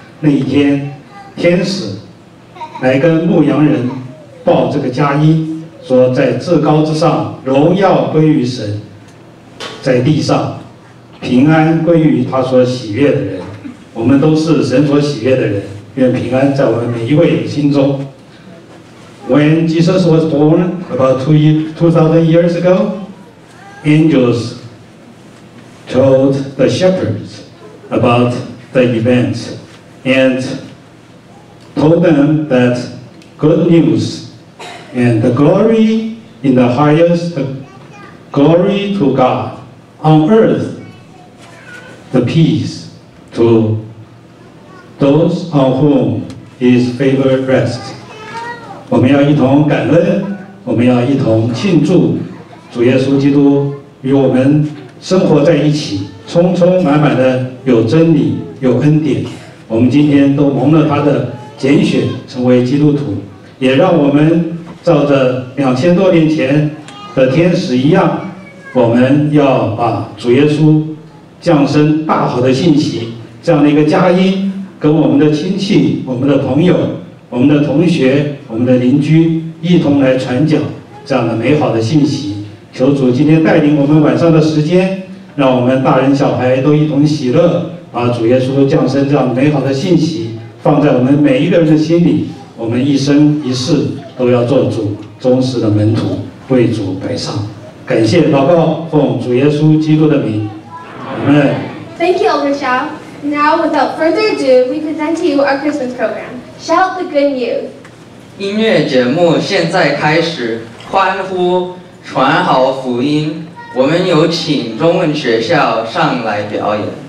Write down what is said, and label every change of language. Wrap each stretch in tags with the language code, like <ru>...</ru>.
<zh>那一天，天使来跟牧羊人报这个佳音，说在至高之上荣耀归于神，在地上平安归于他所喜悦的人。我们都是神所喜悦的人，愿平安在我们每一位心中。</zh> <en>When Jesus was born about 2000 years ago, angels told the shepherds about the event and told them that good news and the glory in the highest, the glory to God on earth, the peace to those on whom his favor rests.</en> <zh>我们要一同感恩，我们要一同庆祝主耶稣基督与我们生活在一起，充充满满的有真理，有恩典。我们今天都蒙了他的拣选，成为基督徒，也让我们照着2000多年前的天使一样，我们要把主耶稣降生大好的信息，这样的一个佳音，跟我们的亲戚、我们的朋友、我们的同学、我们的邻居一同来传讲这样的美好的信息。求主今天带领我们晚上的时间，让我们大人小孩都一同喜乐，把主耶稣降生这样美好的信息放在我们每一个人的心里。我们一生一世都要做主忠实的门徒，为主摆上。感谢祷告，奉主耶稣基督的名，阿门。</zh> <en>Thank you, Elder Shaw. Now, without further ado, we present to you our Christmas program. Shout the good news!</en> <zh>音乐节目现在开始，欢呼，传好福音。我们有请中文学校上来表演。</zh>